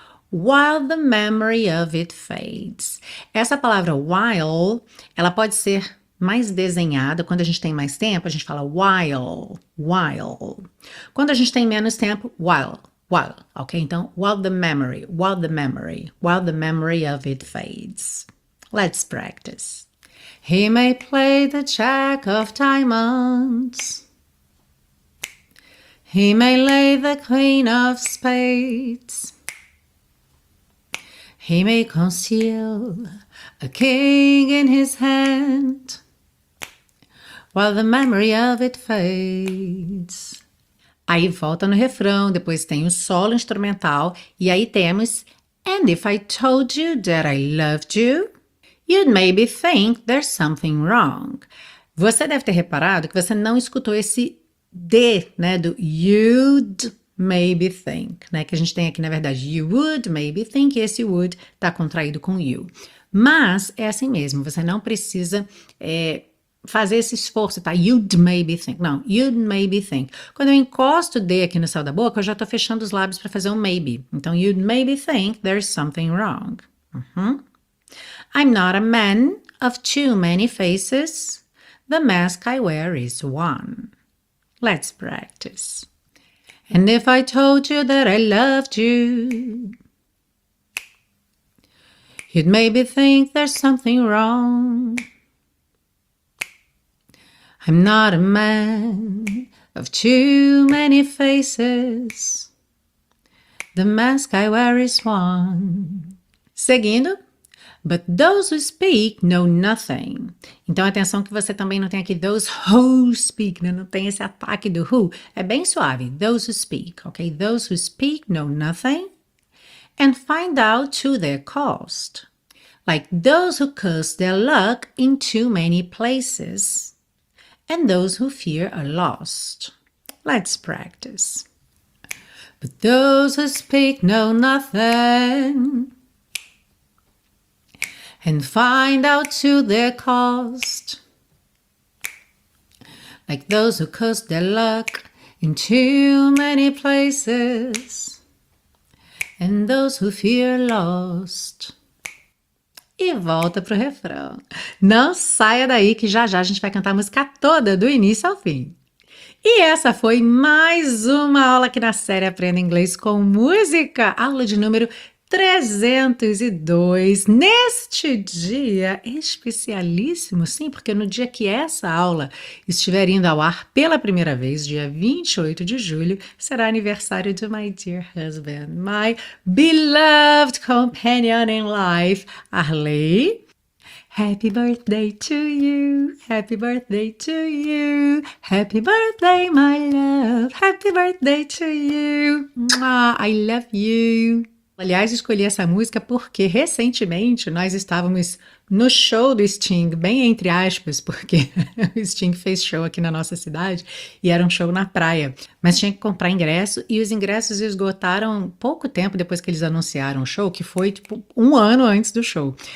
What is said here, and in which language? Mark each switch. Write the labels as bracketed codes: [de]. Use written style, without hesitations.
[en] While the memory of it fades. [pt] Essa palavra while, ela pode ser mais desenhada quando a gente tem mais tempo, a gente fala while, while. Quando a gente tem menos tempo, while, ok? Então, while the memory, while the memory, while the memory of it fades. [en] Let's practice. He may play the Jack of Diamonds. He may lay the Queen of Spades. He may conceal a king in his hand while the memory of it fades. [pt] Aí volta no refrão, depois tem o solo instrumental e aí temos [en] And if I told you that I loved you, you'd maybe think there's something wrong. [pt] Você deve ter reparado que você não escutou esse D, né, do you'd maybe think, né? Que a gente tem aqui, na verdade, [en] you would maybe think, [pt] esse would tá contraído com you. Mas é assim mesmo, você não precisa fazer esse esforço, tá? [en] You'd maybe think. [pt] Não, [en] you'd maybe think. [pt] Quando eu encosto o D aqui no céu da boca, eu já tô fechando os lábios para fazer um maybe. [en] Então, you'd maybe think there's something wrong. I'm not a man of too many faces. The mask I wear is one. Let's practice. And if I told you that I loved you, you'd maybe think there's something wrong. I'm not a man of too many faces. The mask I wear is one. Seguindo, But those who speak know nothing. [pt] Então, atenção que você também não tem aqui [en] those who speak, [pt] né? Não tem esse ataque do who. É bem suave. [en] Those who speak, [pt] ok? [en] Those who speak know nothing and find out to their cost. Like those who curse their luck in too many places and those who fear are lost. Let's practice. But those who speak know nothing and find out to their cost. Like those who curse their luck in too many places and those who fear lost. [pt] E volta pro refrão. Não saia daí que já já a gente vai cantar a música toda, do início ao fim. E essa foi mais uma aula aqui na série Aprenda Inglês com Música, aula de número 302. Neste dia especialíssimo, sim, porque no dia que essa aula estiver indo ao ar pela primeira vez, dia 28 de julho, será aniversário do [en] my dear husband, my beloved companion in life, [pt] Arley. [en] Happy birthday to you, happy birthday to you, happy birthday, my love, happy birthday to you, mwah, I love you. [pt] Aliás, escolhi essa música porque recentemente nós estávamos no show do Sting, bem entre aspas, porque o Sting fez show aqui na nossa cidade e era um show na praia, mas tinha que comprar ingresso e os ingressos esgotaram pouco tempo depois que eles anunciaram o show, que foi tipo um ano antes do show.